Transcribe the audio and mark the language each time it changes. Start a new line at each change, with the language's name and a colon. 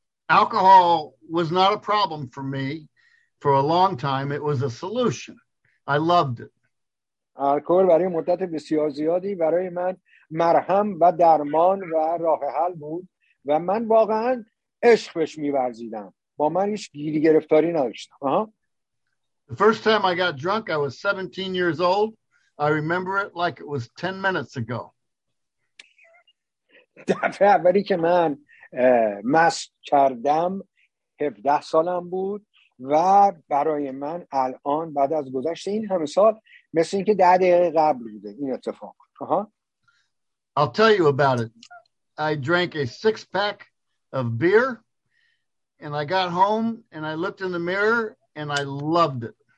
English: Alcohol was not a problem for me for a long time. It was a solution. I loved it.
Persian: الکل برای مدت بسیار زیادی برای من مرهم و درمان و راه حل بود و من واقعا عشق بهش می‌ورزیدم. با من هیچ گیری گرفتاری نداشتم.
English: The first time I got drunk, I was 17 years old. I remember it like it was 10 minutes ago.
Persian: دفعه اولی که من مست کردم 17 سالم بود و برای من الان بعد از گذشت این همه سال مثل اینکه 10 دقیقه قبل بوده این اتفاق.
English: I'll tell you about it. I drank a six pack of beer and I got home and I looked in the mirror and I loved it.